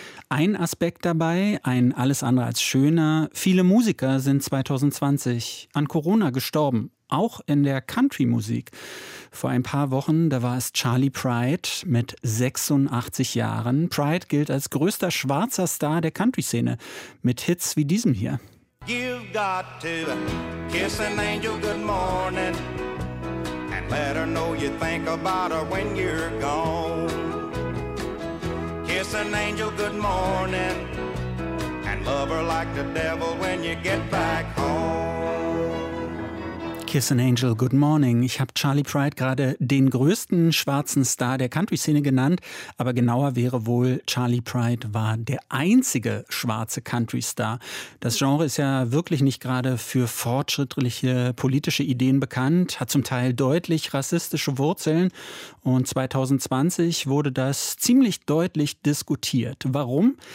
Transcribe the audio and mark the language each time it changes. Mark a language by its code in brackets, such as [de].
[de] Ein Aspekt dabei, ein alles andere als schöner: viele Musiker sind 2020 an Corona gestorben. Auch in der Country-Musik. Vor ein paar Wochen, da war es Charlie Pride mit 86 Jahren. Pride gilt als größter schwarzer Star der Country-Szene mit Hits wie diesem hier. [en] You've got to kiss an angel good morning and let her know you think about her when you're gone. Kiss an angel good morning and love her like the devil when you get back home. Kiss an Angel, good morning. [de] Ich habe Charlie Pride gerade den größten schwarzen Star der Country-Szene genannt, aber genauer wäre wohl, Charlie Pride war der einzige schwarze Country-Star. Das Genre ist ja wirklich nicht gerade für fortschrittliche politische Ideen bekannt, hat zum Teil deutlich rassistische Wurzeln und 2020 wurde das ziemlich deutlich diskutiert. Warum?